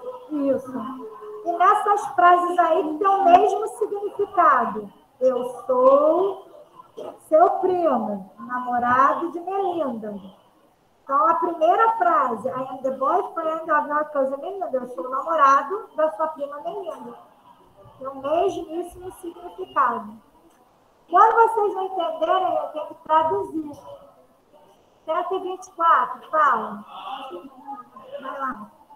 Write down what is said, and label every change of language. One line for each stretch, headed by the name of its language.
Portuguese: Isso. E nessas frases aí, tem o mesmo significado. Eu sou seu primo, namorado de Melinda. Então, a primeira frase.
English: I am the boyfriend of your cousin Melinda.
Portuguese: Eu sou o namorado da sua prima Melinda. Tem o mesmíssimo significado. Quando vocês não entenderem, eu tenho que traduzir. 7h24, fala. Vai lá.